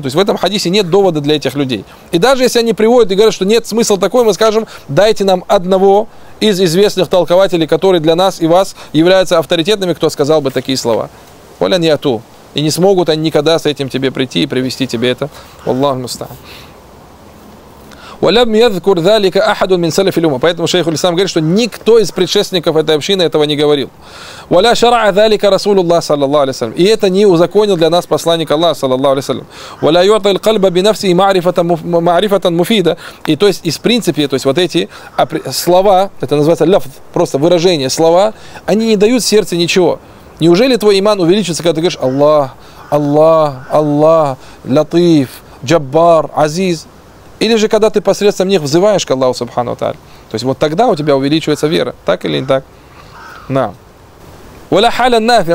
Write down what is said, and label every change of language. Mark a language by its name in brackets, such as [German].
[Russian] То есть в этом хадисе нет довода для этих людей. И даже если они приводят и говорят, что нет смысла такой, мы скажем, дайте нам одного из известных толкователей, который для нас и вас является авторитетными, кто сказал бы такие слова. Олян яту. И не смогут они никогда с этим тебе прийти и привести тебе это. Аллах мустаан. [Arabic] ولم يذكر ذلك أحد من سلف الأمة. [Russian] Поэтому шейх аль-Ислам говорит, что никто из предшественников этой общины этого не говорил. [Arabic] ولا شرع ذلك رسول الله صلى الله عليه وسلم. [Russian] И это не узаконил для нас посланник Аллаха [Arabic] صلى الله عليه وسلم. ولا يعطي القلب بنفسه معرفة مفيدة. [Russian] И то есть из принципе, то есть вот эти слова, это называется лафз, просто выражение, слова, они не дают сердцу ничего. Неужели твой иман увеличится, когда ты говоришь Аллах, Аллах, Аллах, Латиф, Джаббар, Азиз? Или же когда ты посредством них взываешь к Аллаху Субхану Тааля? То есть вот тогда у тебя увеличивается вера, так или не так? На. [Arabic] Валя халя нафи.